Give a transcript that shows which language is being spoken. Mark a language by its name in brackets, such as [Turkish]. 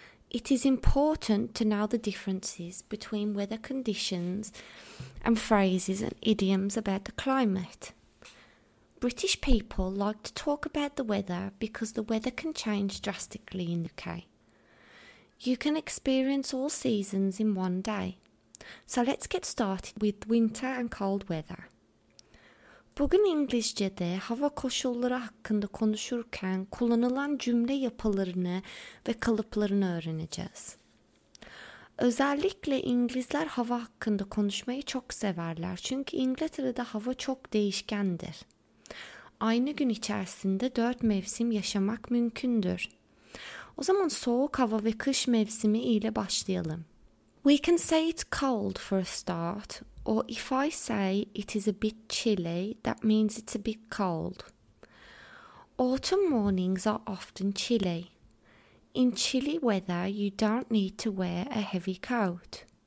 [English] It is important to know the differences between weather conditions and phrases and idioms about the climate. British people like to talk about the weather because the weather can change drastically in the UK. You can experience all seasons in one day. So let's get started with winter and cold weather. [Turkish] Bugün İngilizce'de hava koşulları hakkında konuşurken kullanılan cümle yapılarını ve kalıplarını öğreneceğiz. Özellikle İngilizler hava hakkında konuşmayı çok severler çünkü İngiltere'de hava çok değişkendir. Aynı gün içerisinde 4 mevsim yaşamak mümkündür. O zaman soğuk hava ve kış mevsimi ile başlayalım. [English] We can say it's cold for a start. Or if I say it is a bit chilly, that means it's a bit cold. Autumn mornings are often chilly. In chilly weather, you don't need to wear a heavy coat.